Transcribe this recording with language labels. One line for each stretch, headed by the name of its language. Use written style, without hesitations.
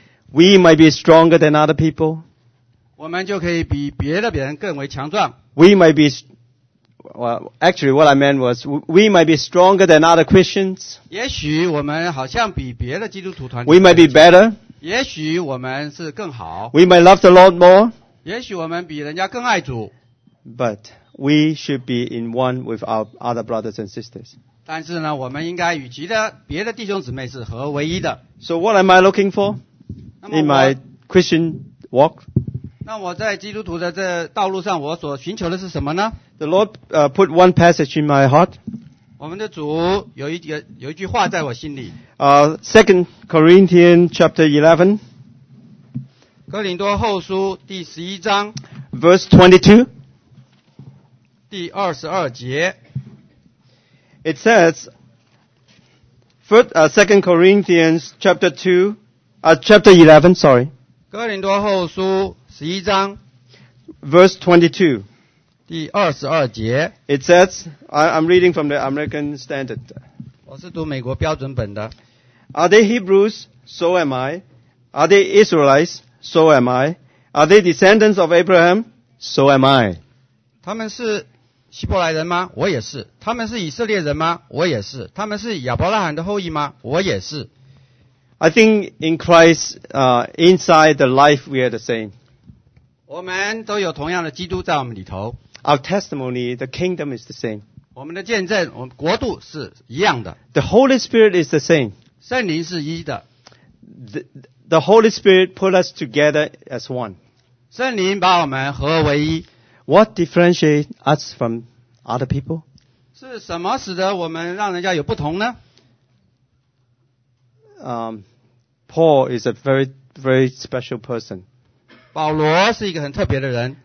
English: We might be stronger than other people.
Chinese: 我们就可以比别的别人更为强壮。
English: We might be, well, actually what I meant was, we might be stronger than other Christians.
Chinese: 也许我们好像比别的基督徒团体。
English: We might be better.
Chinese: 也许我们是更好。
English: We might love the Lord more.
Chinese: 也许我们比人家更爱主。
English: But we should be in one with our other brothers and sisters.
Chinese: 但是呢,我们应该与别的弟兄姊妹是合为一的。
English: So what am I looking for? In my Christian walk?
Chinese: 那我在基督徒的这道路上我所寻求的是什么呢?
English: The Lord put one passage in my heart.
Chinese: 我们的主有一句话在我心里。
English: 2 Corinthians chapter 11.
Chinese: 哥林多后书第11章,
English: verse 22.
Chinese: 第22节,
English: it says, 2 Corinthians chapter 2, chapter 11, sorry.
Chinese: 哥林多后书11章,
English: verse 22.
Chinese: 第22节,
English: it says, I'm reading from the American Standard.
Chinese: 我是读美国标准本的。
English: Are they Hebrews? So am I. Are they Israelites? So am I. Are they descendants of Abraham? So am I.
Chinese: 他们是希伯来人吗?我也是。他们是以色列人吗?我也是。他们是亚伯拉罕的后裔吗? 我也是。
English: I think in Christ, inside the life, we are the same.
Chinese: 我们都有同样的基督在我们里头。
English: Our testimony, the kingdom is the same.
Chinese: 我们的见证, 我们国度是一样的。
English: The Holy Spirit is the same.
Chinese: 圣灵是一的。
English: The Holy Spirit put us together as one.
Chinese: 圣灵把我们合为一。
English: What differentiates us from other people?
Chinese: 是什么使得我们让人家有不同呢?
English: Paul is a very, very special person.
Chinese: 保罗是一个很特别的人。